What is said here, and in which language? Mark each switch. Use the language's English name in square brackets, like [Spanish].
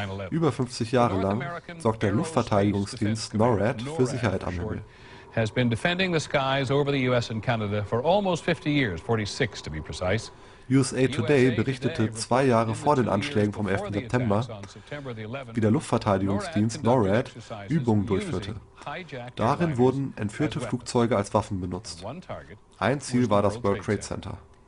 [German] Über 50 Jahre lang sorgt der Luftverteidigungsdienst NORAD für Sicherheit am Himmel. [English] Has been defending the skies over the US and Canada for almost 50 years, 46 to be precise. [German] USA Today berichtete zwei Jahre vor den Anschlägen vom 11. September, wie der Luftverteidigungsdienst NORAD Übungen durchführte. Darin wurden entführte Flugzeuge als Waffen benutzt. Ein Ziel war das World Trade Center.